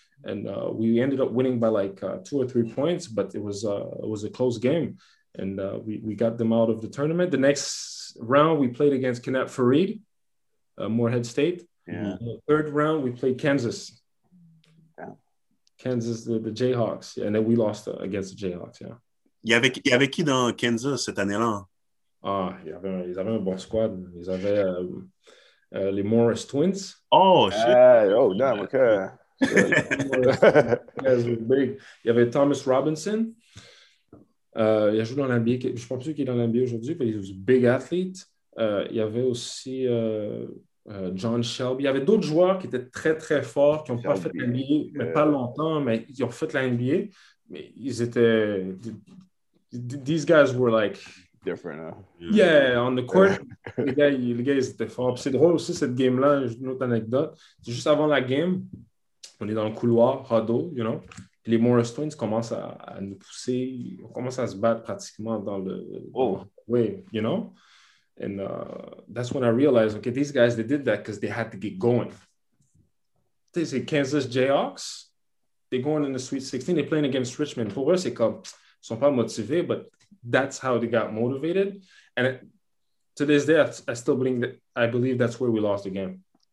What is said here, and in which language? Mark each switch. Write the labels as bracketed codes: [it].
[en] And we ended up winning by like 2 or 3 points, but it was a close game. And we got them out of the tournament. The next round, we played against Kennett Fareed, Morehead State. Yeah. The third round, we played Kansas. Yeah. Kansas, the Jayhawks. And then we lost against the Jayhawks, yeah. [fr] Y avait qui dans Kansas cette année-là? Ah, ils avaient un bon squad. Ils avaient les Morris Twins. [en] Oh, shit. Oh, damn, no, okay. [fr] Il y avait Thomas Robinson. Il a joué dans l'NBA. Je ne suis pas sûr qu'il est dans l'NBA aujourd'hui, mais il est un big athlete. Il y avait aussi John Shelby. Il y avait d'autres joueurs qui étaient très, très forts, qui n'ont pas fait l'NBA, mais pas longtemps, mais ils ont fait l'NBA. Mais ils étaient... [en] These guys were like... Different, huh? Yeah, on the court, [fr] les gars, ils étaient forts. Puis c'est drôle aussi, cette game-là, une autre anecdote. C'est juste avant la game... On est dans le couloir, huddle, [en] you know. [fr] Puis les Morris Twins commencent à nous pousser. On commence à se battre pratiquement dans le... Oh. [en] Way, you know. And that's when I realized, okay, these guys, they did that because they had to get going. They say Kansas Jayhawks, they're going in the Sweet 16. They're playing against Richmond. [fr] Pour eux, c'est comme, ils ne sont pas motivés, [en] but that's how they got motivated. And to this day, I believe that's where we lost the game.